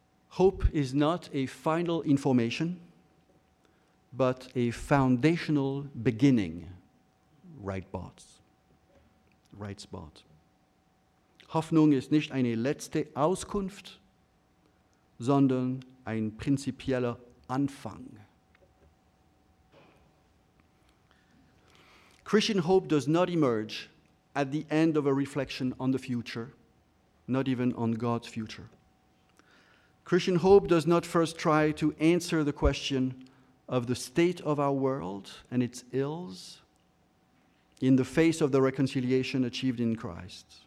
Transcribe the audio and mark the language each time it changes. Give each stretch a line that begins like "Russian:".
English: Hope is not a final information, but a foundational beginning, writes Barth.
German: Hoffnung ist nicht eine letzte Auskunft, sondern ein prinzipieller Anfang.
English: Christian hope does not emerge at the end of a reflection on the future, not even on God's future. Christian hope does not first try to answer the question of the state of our world and its ills in the face of the reconciliation achieved in Christ.